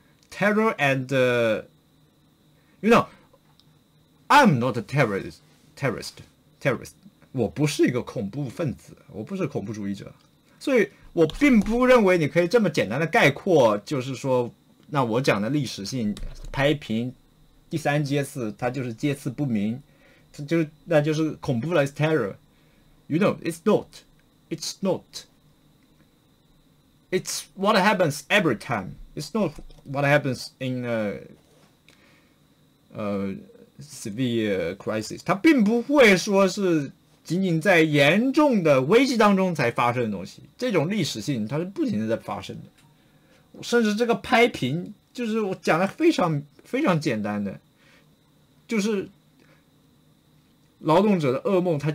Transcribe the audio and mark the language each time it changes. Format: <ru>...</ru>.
<en>terror and you know I'm not a terrorist，</en> <zh>我不是一个恐怖分子，我不是恐怖主义者，所以我并不认为你可以这么简单的概括，就是说，那我讲的历史性拍平第三阶次，它就是阶次不明，那就是恐怖了，</zh> <en>is terror。 You know, it's what happens every time. It's not what happens in a severe crisis，</en> <zh>它并不会说是仅仅在严重的危机当中才发生的东西。这种历史性，它是不停的在发生的。甚至这个拍平，就是我讲的非常非常简单的，就是劳动者的噩梦。</zh>